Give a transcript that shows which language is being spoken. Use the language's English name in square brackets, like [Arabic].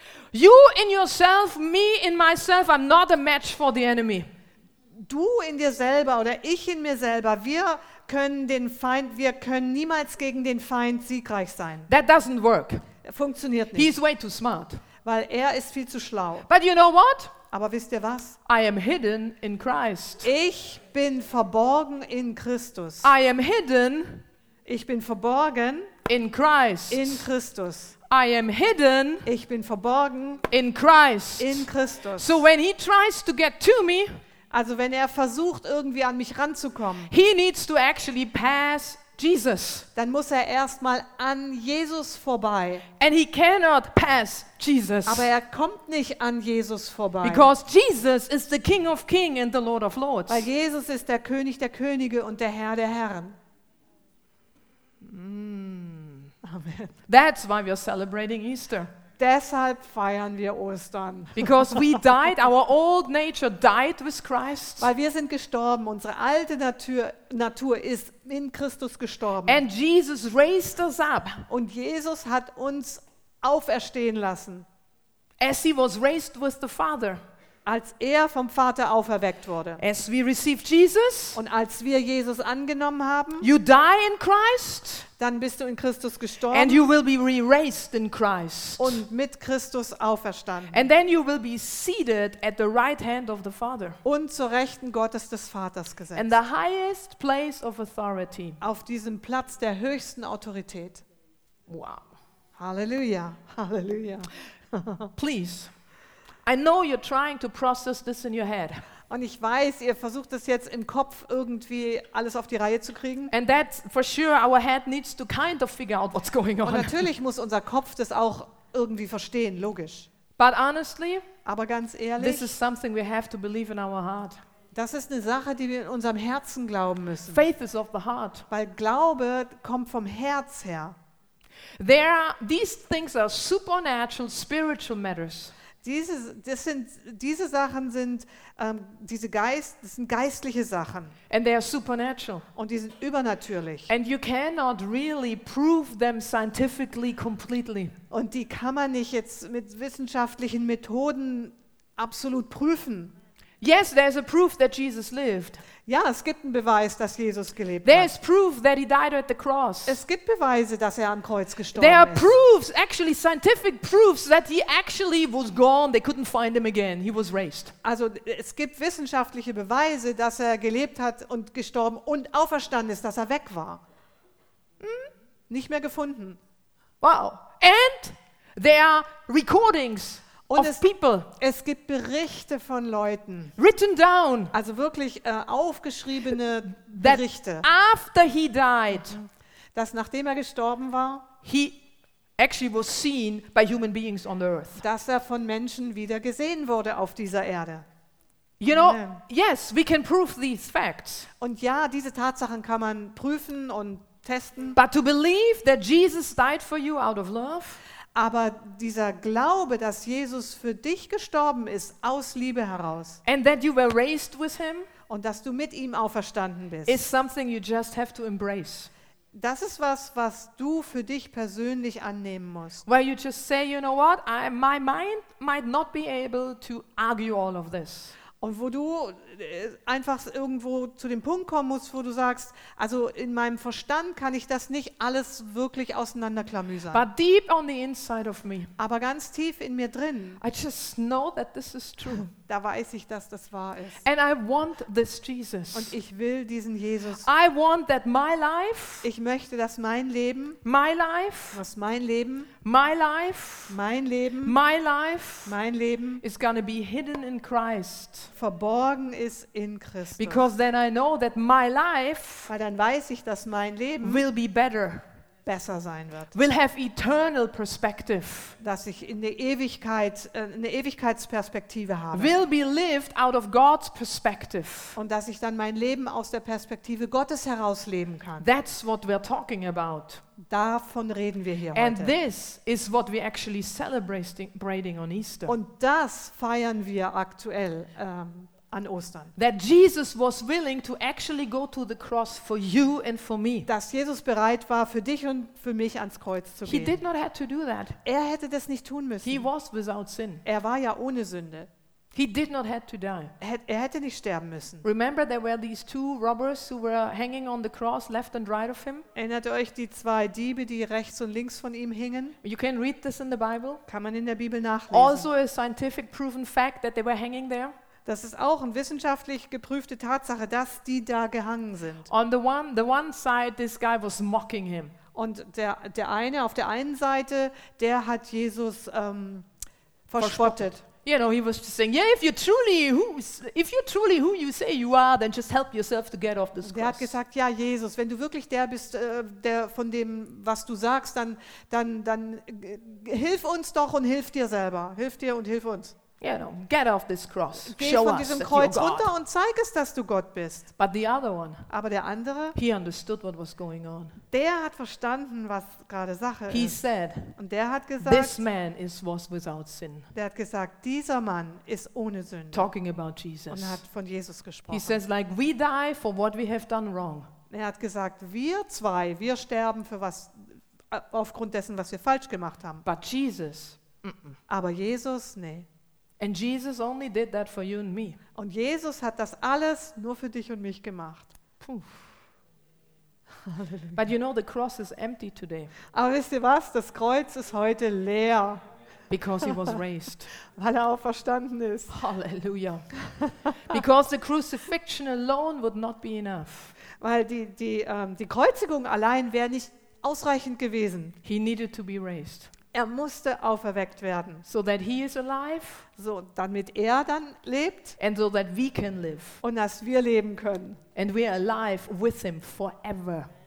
[English] You in yourself, me in myself, I'm not a match for the enemy. [German] Du in dir selber oder ich in mir selber, wir können niemals gegen den Feind siegreich sein. [English] That doesn't work. [German] Funktioniert nicht. [English] He's way too smart. [German] Weil ist viel zu schlau. [English] But you know what? [German] Aber wisst ihr was? [English] I am hidden in Christ. [German] Ich bin verborgen in Christus. [English] I am hidden. [German] Ich bin verborgen [English] in Christ. [German] In Christus. [English] I am hidden. [German] Ich bin verborgen [English] in Christ. [German] In Christus. [English] So when he tries to get to me, [German] also wenn versucht irgendwie an mich ranzukommen, [English] he needs to actually pass Jesus. [German] Dann muss erstmal an Jesus vorbei. [English] And he cannot pass Jesus. [German] Aber kommt nicht an Jesus vorbei. [English] Because Jesus is the King of Kings and the Lord of Lords. [German] Weil Jesus ist der König der Könige und der Herr der Herren. [English] Amen. That's why we are celebrating Easter. [German] Deshalb feiern wir Ostern. [English] Because we died, our old nature died with Christ. [German] Weil wir sind gestorben, unsere alte Natur ist in Christus gestorben. [English] And Jesus raised us up. [German] Und Jesus hat uns auferstehen lassen. [English] As he was raised with the Father. [German] Als vom Vater auferweckt wurde. [English] As we received Jesus. [German] Und als wir Jesus angenommen haben. [English] You die in Christ. [German] Dann bist du in Christus gestorben. [English] And you will be re-raised in Christ. [German] Und mit Christus auferstanden. [English] And then you will be seated at the right hand of the Father. [German] Und zur rechten Gottes des Vaters gesetzt. [English] And the highest place of authority. [German] Auf diesem Platz der höchsten Autorität. [English] Wow. Halleluja. Halleluja. Please. I know you're trying to process this in your head. [German] Und ich weiß, ihr versucht es jetzt im Kopf irgendwie alles auf die Reihe zu kriegen. [English] And that for sure our head needs to kind of figure out what's going on. [German] Und natürlich muss unser Kopf das auch irgendwie verstehen, logisch. [English] But honestly, [German] aber ganz ehrlich, [English] this is something we have to believe in our heart. [German] Das ist eine Sache, die wir in unserem Herzen glauben müssen. [English] Faith is of the heart. [German] Weil Glaube kommt vom Herz her. [English] These things are supernatural, spiritual matters. [German] diese Sachen sind diese Geist, das sind geistliche Sachen. [English] And they are supernatural. [German] Und die sind übernatürlich. [English] And you cannot really prove them scientifically completely. [German] Und die kann man nicht jetzt mit wissenschaftlichen Methoden absolut prüfen. [English] Yes, there's a proof that Jesus lived. [German] Ja, es gibt einen Beweis, dass Jesus gelebt [English] there [German] hat. [English] There's proof that he died at the cross. [German] Es gibt Beweise, dass er am Kreuz gestorben [English] there [German] ist. [English] There are proofs, actually scientific proofs that he actually was gone, they couldn't find him again. He was raised. [German] Also, es gibt wissenschaftliche Beweise, dass er gelebt hat und gestorben und auferstanden ist, dass er weg war. Hm? Nicht mehr gefunden. [English] Wow. And there are recordings. [German] Und [English] of people. [German] Es gibt Berichte von Leuten. [English] Written down. [German] Also wirklich aufgeschriebene Berichte. [English] After he died. [German] Dass nachdem er gestorben war. [English] He actually was seen by human beings on earth. [German] Dass er von Menschen wieder gesehen wurde auf dieser Erde. [English] You know, yes, we can prove these facts. [German] Und ja, diese Tatsachen kann man prüfen und testen. [English] But to believe that Jesus died for you out of love. [German] Aber dieser Glaube, dass Jesus für dich gestorben ist, aus Liebe heraus, [English] and that you were raised with him, [German] und dass du mit ihm auferstanden bist, [English] is something you just have to embrace. [German] Das ist was, was du für dich persönlich annehmen musst. [English] Where you just say, you know what, my mind might not be able to argue all of this. [German] Und wo du einfach irgendwo zu dem Punkt kommen musst, wo du sagst, also in meinem Verstand kann ich das nicht alles wirklich auseinanderklamüsern. [English] But deep on the inside of me, [German] aber ganz tief in mir drin, [English] I just know that this is true. [German] Da weiß ich, dass das wahr ist. [English] And I want this Jesus. [German] Und ich will diesen Jesus. [English] I want that my life, [German] ich möchte, dass mein Leben, [English] my life, [German] was mein Leben, [English] my life, [German] mein Leben, [English] my life, [German] mein Leben, [English] is gonna be hidden in Christ, [German] verborgen ist in Christus. [English] Because then I know that my life, [German] weil dann weiß ich, dass mein Leben, [English] will be better, [German] besser sein wird. [English] Will have eternal perspective, [German] dass ich in der Ewigkeit eine Ewigkeitsperspektive habe. [English] Will be lived out of God's perspective, [German] und dass ich dann mein Leben aus der Perspektive Gottes heraus leben kann. [English] That's what we're talking about. [German] Davon reden wir hier [English] and This is what we actually celebrating on Easter. [German] Und das feiern wir aktuell an Ostern. [English] That Jesus was willing to actually go to the cross for you and for me. [German] Dass Jesus bereit war für dich und für mich ans Kreuz zu gehen. [English] He did not have to do that. [German] Er hätte das nicht tun müssen. [English] He was without sin. [German] Er war ja ohne Sünde. [English] He did not have to die. [German] Er hätte nicht sterben müssen. [English] Remember there were these two robbers who were hanging on the cross left and right of him? [German] Erinnert euch die zwei Diebe, die rechts und links von ihm hingen? [English] You can read this in the Bible. [German] Kann man in der Bibel nachlesen. [English] Also a scientific proven fact that they were hanging there. [German] Das ist auch eine wissenschaftlich geprüfte Tatsache, dass die da gehangen sind. [English] On the one side, this guy was mocking him. [German] Und der eine auf der einen Seite, der hat Jesus verspottet. [English] You know, he was just saying, yeah, if you're truly who you say you are, then just help yourself to get off this cross. [German] Der hat gesagt, ja, Jesus, wenn du wirklich der bist, der von dem, was du sagst, dann hilf uns doch und hilf dir selber, hilf dir und hilf uns. [English] You know, get off this cross. [German] Geh von diesem Kreuz runter und zeig es, dass du Gott bist. [English] But the other one, [German] aber der andere, [English] he understood what was going on. [German] Der hat verstanden, was gerade Sache [English] he [German] ist. [English] Said, [German] und der hat gesagt, [English] this man is was without sin. [German] Der hat gesagt, dieser Mann ist ohne Sünde. [English] Talking about Jesus. [German] Und hat von Jesus gesprochen. [English] He says, like we die for what we have done wrong. [German] Er hat gesagt, wir sterben für was aufgrund dessen, was wir falsch gemacht haben. [English] But Jesus, [German] aber Jesus, nee. [English] And Jesus only did that for you and me. [German] Und Jesus hat das alles nur für dich und mich gemacht. Puh. [English] But you know the cross is empty today. [German] Aber wisst ihr was? Das Kreuz ist heute leer. [English] Because he was raised. [German] Weil er auferstanden ist. Hallelujah. [English] Because the crucifixion alone would not be enough. [German] Weil die Kreuzigung allein wäre nicht ausreichend gewesen. [English] He needed to be raised. [German] Er musste auferweckt werden, [English] so that he is alive, [German] so damit er dann lebt, [English] and so that we can live, [German] und dass wir leben können, [English] and we are alive with him forever,